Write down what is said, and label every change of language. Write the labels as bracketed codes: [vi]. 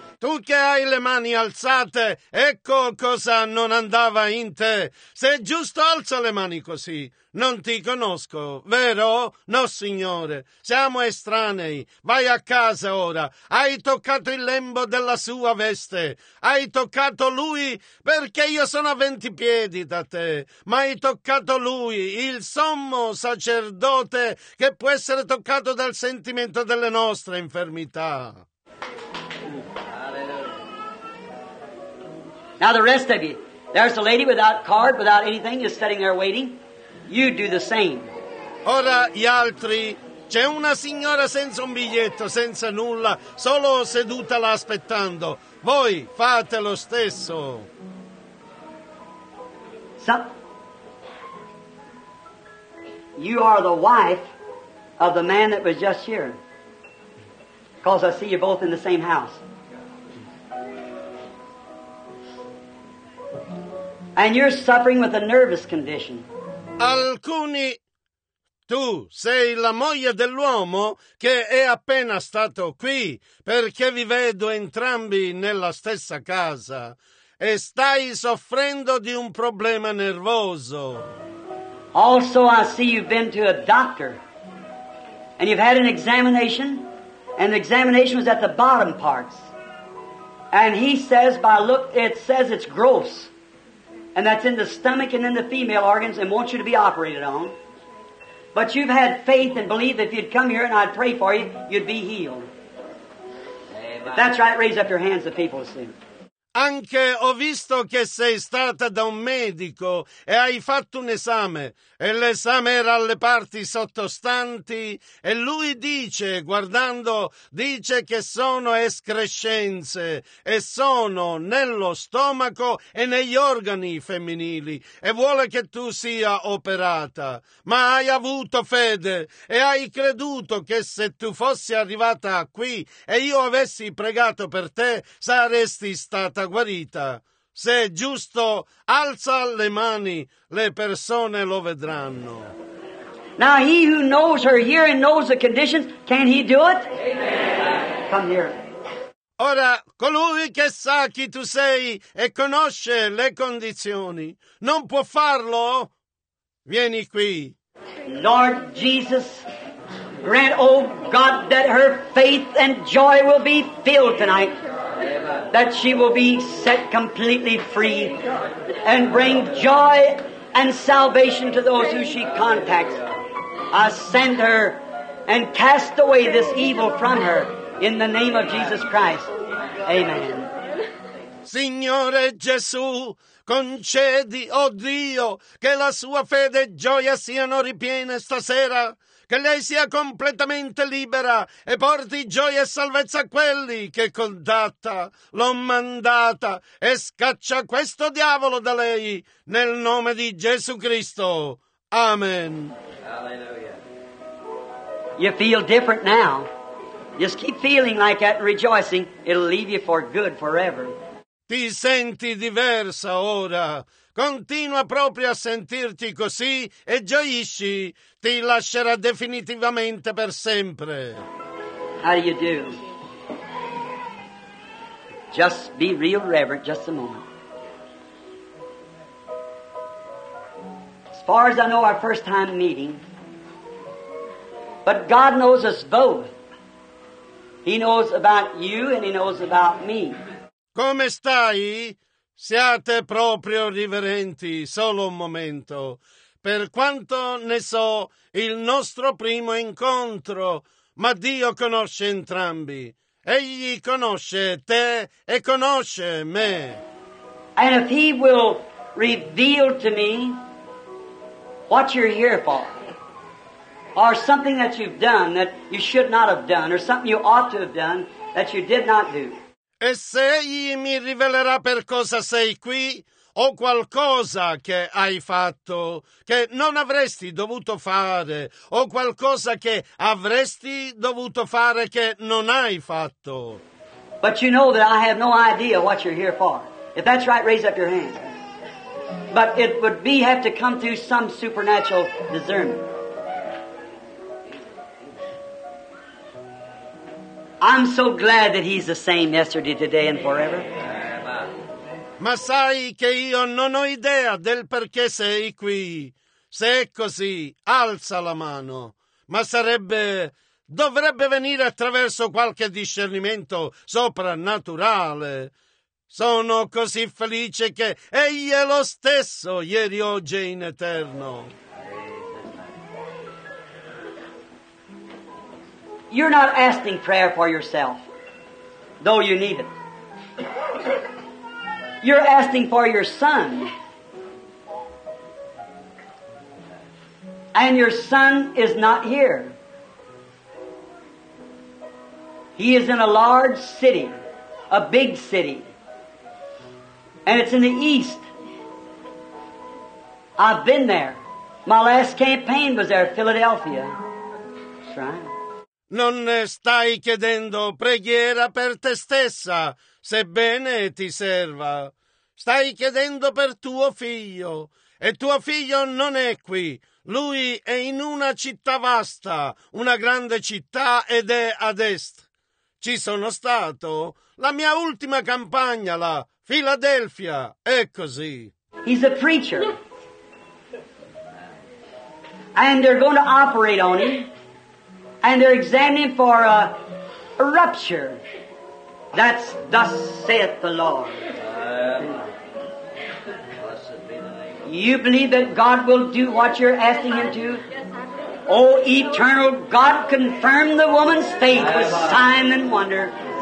[it] Tu che hai le mani alzate, ecco cosa non andava in te. Se giusto alza le mani così, non ti conosco, vero? No, Signore, siamo estranei. Vai a casa ora. Hai toccato il lembo della sua veste. Hai toccato lui perché io sono a 20 piedi da te. Ma hai toccato lui, il sommo sacerdote che può essere toccato dal sentimento delle nostre infermità. [en] Now the rest of you, there's a lady without card, without anything, just sitting there waiting. You do the same. [it] Ora gli altri, c'è una signora senza un biglietto, senza nulla, solo seduta là aspettando. Voi fate lo stesso. [en] So, you are the wife of the man that was just here. Because I see you both in the same house. And you're suffering with a nervous condition. [it] Alcuni Tu sei la moglie dell'uomo che è appena stato qui, perché vi vedo entrambi nella stessa casa e stai soffrendo di un problema nervoso. [en] Also, I see you've been to a doctor and you've had an examination, and the examination was at the bottom parts. And he says, by look, it says it's gross, and that's in the stomach and in the female organs, and wants you to be operated on. But you've had faith and believed that if you'd come here and I'd pray for you, you'd be healed. Amen. That's right, raise up your hands, the people will see. [it] Anche ho visto che sei stata da un medico e hai fatto un esame, e l'esame era alle parti sottostanti, e lui dice, guardando, dice che sono escrescenze e sono nello stomaco e negli organi femminili, e vuole che tu sia operata. Ma hai avuto fede e hai creduto che se tu fossi arrivata qui e io avessi pregato per te, saresti stata guarita. Se è giusto, alza le mani, le persone lo vedranno. [en] Now he who knows her hearing knows the conditions, can he do it? Amen. Come here. [it] Ora, colui che sa chi tu sei e conosce le condizioni, non può farlo? Vieni qui. [en] Lord Jesus, grant, oh God, that her faith and joy will be filled tonight. That she will be set completely free and bring joy and salvation to those who she contacts. I send her and cast away this evil from her in the name of Jesus Christ. Amen. [it] Signore Gesù, concedi, oh Dio, che la sua fede e gioia siano ripiene stasera. Che lei sia completamente libera e porti gioia e salvezza a quelli che contatta, l'ho mandata, e scaccia questo diavolo da lei, nel nome di Gesù Cristo. Amen. [en] Hallelujah. You feel different now. Just keep feeling like that and rejoicing, it'll leave you for good forever. [it] Ti senti diversa ora. Continua proprio a sentirti così e gioisci. Ti lascerà definitivamente per sempre. [en] How do you do? Just be real reverent, just a moment. As far as I know, our first time meeting. But God knows us both. He knows about you and He knows about me. [it] Come stai? Siate proprio riverenti, solo un momento. Per quanto ne so, il nostro primo incontro, ma Dio conosce entrambi. Egli conosce te e conosce me. [en] And if he will reveal to me what you're here for, or something that you've done that you should not have done, or something you ought to have done that you did not do. [it] E se egli mi rivelerà per cosa sei qui, o qualcosa che hai fatto, che non avresti dovuto fare, o qualcosa che avresti dovuto fare che non hai fatto. [en] But you know that I have no idea what you're here for. If that's right, raise up your hand. But it would be have to come through some supernatural discernment. I'm so glad that he's the same yesterday, today, and forever. [it] Ma sai che io non ho idea del perché sei qui. Se è così, alza la mano. Ma dovrebbe venire attraverso qualche discernimento soprannaturale. Sono così felice che egli è lo stesso ieri, oggi e in eterno. [en] You're not asking prayer for yourself, though you need it. You're asking for your son. And your son is not here. He is in a large city, a big city. And it's in the east. I've been there. My last campaign was there, Philadelphia. That's right. [it] Non stai chiedendo preghiera per te stessa, sebbene ti serva. Stai chiedendo per tuo figlio. e tuo figlio non è qui. Lui è in una città vasta, una grande città, ed è ad est. Ci sono stato la mia ultima campagna, la Filadelfia, è così. [en] He's a preacher. And they're going to operate on him. And they're examining for a rupture. That's thus saith the Lord. You believe that God will do what you're asking Him to? Oh, eternal God, confirm the woman's faith with sign and wonder.